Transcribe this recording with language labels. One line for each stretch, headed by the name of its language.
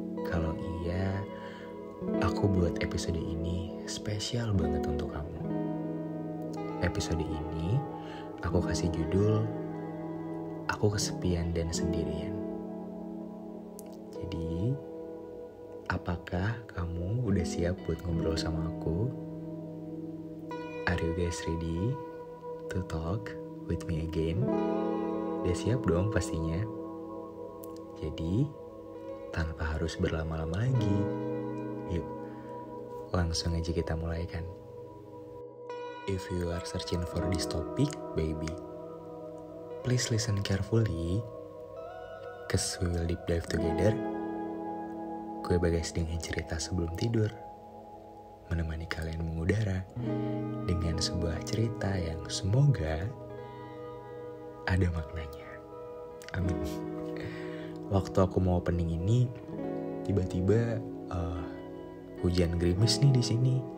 Indonesian: Kalau iya, aku buat episode ini spesial banget untuk kamu. Episode ini aku kasih judul Aku Kesepian dan Sendirian. Jadi, apakah kamu udah siap buat ngobrol sama aku?
English: Are you guys ready to talk with me again?
Indonesian: Udah siap dong pastinya. Jadi, tanpa harus berlama-lama lagi, yuk langsung aja kita mulai kan.
English: If you are searching for this topic, baby, please listen carefully, 'cause we will deep dive together.
Indonesian: Gue Bagas dengan cerita sebelum tidur, menemani kalian mengudara dengan sebuah cerita yang semoga ada maknanya. Amin. Waktu aku mau opening ini, tiba-tiba hujan gerimis nih di sini.